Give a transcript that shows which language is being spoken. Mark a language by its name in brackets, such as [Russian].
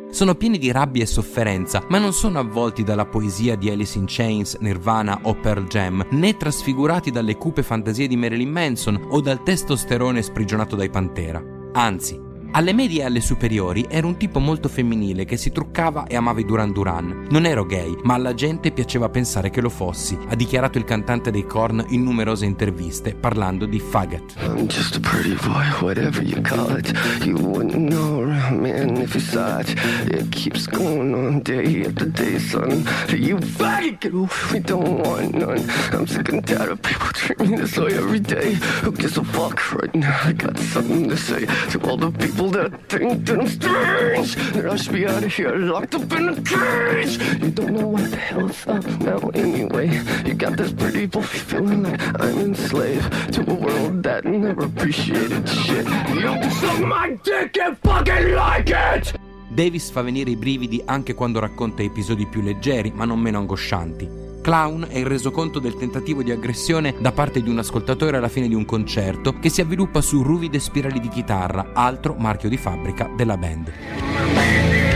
[Italian] Sono pieni di rabbia e sofferenza, ma non sono avvolti dalla poesia di Alice in Chains, Nirvana o Pearl Jam, né trasfigurati dalle cupe fantasie di Marilyn Manson o dal testosterone sprigionato dai Pantera. Anzi, alle medie e alle superiori era un tipo molto femminile che si truccava e amava i Duran Duran. Non ero gay, ma alla gente piaceva pensare che lo fossi, ha dichiarato il cantante dei Korn in numerose interviste parlando di faggot. [English] I'm just a pretty boy, whatever you call it. You wouldn't know around me if you saw it. It keeps going on day after day, son. You faggot, get away, we don't want none. I'm sick and tired of people treating me this way every day. Who gives a fuck right now? I got something to say to all the people. People that think that I'm strange, that I should be out of here, locked up in a cage. You don't know what the hell's up now anyway. You got this pretty boy feeling like I'm enslaved to a world that never appreciated shit. You can suck my dick and fucking like it! [Italian] Davis fa venire i brividi anche quando racconta episodi più leggeri, ma non meno angoscianti. clown e il resoconto del tentativo di aggressione da parte di un ascoltatore alla fine di un concerto che si avviluppa su ruvide spirali di chitarra, altro marchio di fabbrica della band.